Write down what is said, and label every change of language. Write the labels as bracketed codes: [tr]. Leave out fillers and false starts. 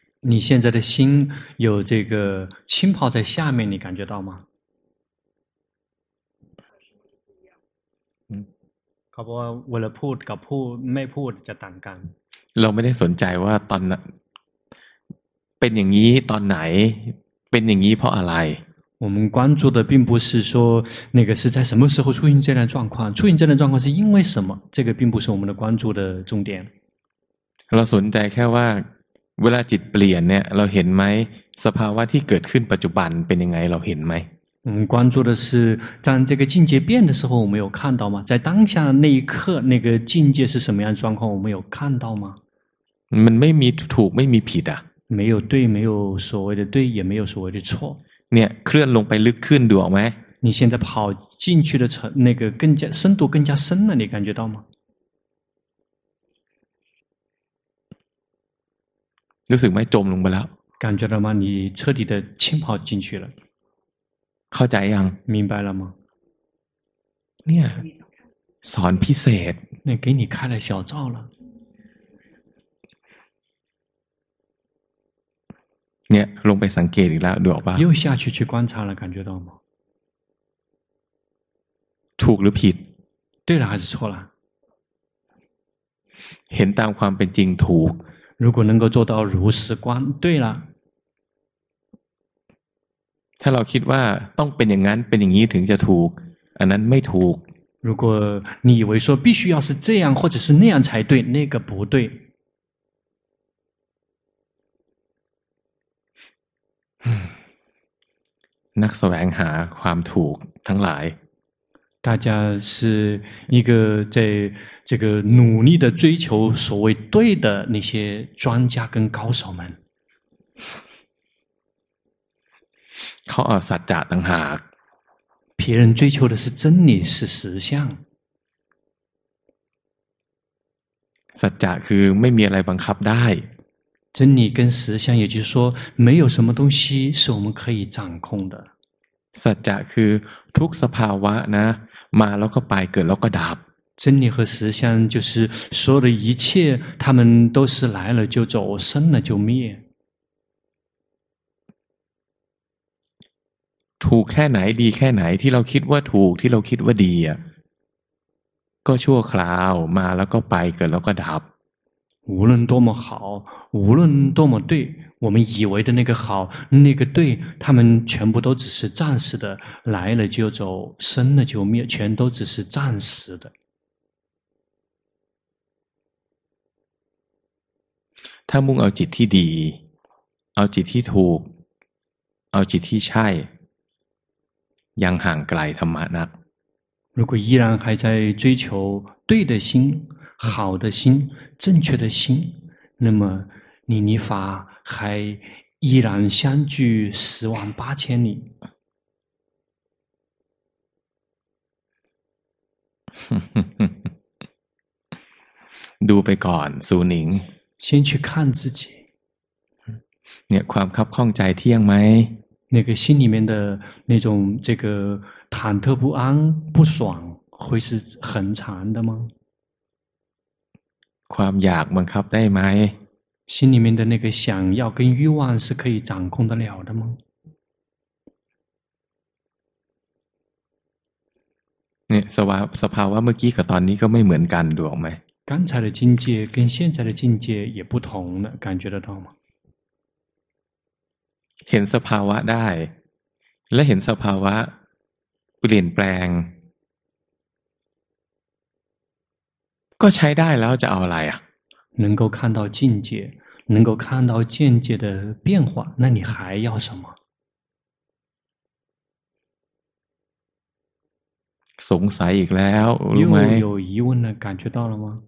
[zh] 你现在的心有这个浸泡在下面你感觉到吗 [th] เขาบอกว่าเวลาพูดกับพูดไม่พูดจะต่างกัน เราไม่ได้สนใจว่าตอนเป็นอย่างนี้ตอนไหนเป็นอย่างนี้เพราะอะไร [zh] 我们关注的并不是说那个是在什么时候出现这样的状况，出现这样的状况是因为什么？这个并不是我们的关注的重点。 [th] เราสนใจแค่ว่าเวลาจิตเปลี่ยนเนี่ยเราเห็นไหมสภาวะที่เกิดขึ้นปัจจุบันเป็นยังไงเราเห็นไหม [zh] 我们关注的是当这个境界变的时候，我们有看到吗？在当下那一刻，那个境界是什么样的状况，我们有看到吗？ [th] มันไม่มีถูกไม่มีผิดอ่ะ [zh] 没有对，没有所谓的对，也没有所谓的错。 [th] เนี่ยเคลื่อนลงไปลึกขึ้นดูออกไหม [zh] 你现在跑进去的层那个更加深度更加深了你感觉到吗 [th] รู้สึกไหมจมลงไปแล้ว [zh] 感觉到吗你彻底的浸泡进去了 [th] เข้าใจยัง [zh] 明白了吗 [th] เนี่ยสอนพิเศษ [zh] 那给你开了小灶了 [th] เนี่ยลงไปสังเกตอีกแล้วดูออกป่ะ [zh] 又下去去观察了感觉到吗 [th] ถูกหรือผิด [zh] 对了还是错了 [th] เห็นตามความเป็นจริงถูก [zh] 如果能够做到如实观对了 [th] ถ้าเราคิดว่าต้องเป็นอย่างนั้นเป็นอย่างนี้ถึงจะถูกอันนั้นไม่ถูก [zh] 如果你以为说必须要是这样或者是那样才对那个不对 [th] นักแสวงหาความถูกทั้งหลาย [zh] 大家是一个在这个努力的追求所谓对的那些专家跟高手们 [th] เขาเอาสัจจะต่างหาก [zh] 别人追求的是真理是实相 [th] สัจจะคือไม่มีอะไรบังคับได้ [zh] 真理跟实相，也就是说，没有什么东西是我们可以掌控的。 [th] สัจจะคือทุกสภาวะนะมาแล้วก็ไปเกิดแล้วก็ดับ [zh] 真理和实相就是所有的一切，他们都是来了就走，生了就灭。 [th] ถูกแค่ไหนดีแค่ไหนที่เราคิดว่าถูกที่เราคิดว่าดีอ่ะก็ชั่วคราวมาแล้วก็ไปเกิดแล้วก็ดับ [zh] 无论多么好，无论多么对，我们以为的那个好，那个对，他们全部都只是暂时的，来了就走，生了就灭，全都只是暂时的。他梦到 [th] จิตที่ดี，เอาจิตที่ถูก，เอาจิตที่ใช่，ยังห่างไกลธรรมะนัก。 [zh] 如果依然还在追求对的心。好的心正确的心那么你离法还依然相距十万八千里 [th] ดูไปก่อนสุนิง [zh] 先去看自己 [th] เนี่ยความคับข้องใจเที่ยงไหม [zh] 那个心里面的那种这个忐忑不安不爽会是很长的吗 [th] ความอยากบังคับได้ไหม [zh] 心里面的那个想要跟欲望是可以掌控得了的吗？ [th] สภาวะเมื่อกี้กับตอนนี้ก็ไม่เหมือนกันดูออกไหม [zh] 刚才的境界跟现在的境界也不同了感觉得到吗？ [th] เห็นสภาวะได้และเห็นสภาวะเปลี่ยนแปลงก็ใช้ได้แล้วจะเอาอะไรอ่ะ [zh] 能够看到境界能够看到境界的变化那你还要什么 [th] สงสัยอีกแล้วรู้ไหม [zh] 有疑问了感觉到了吗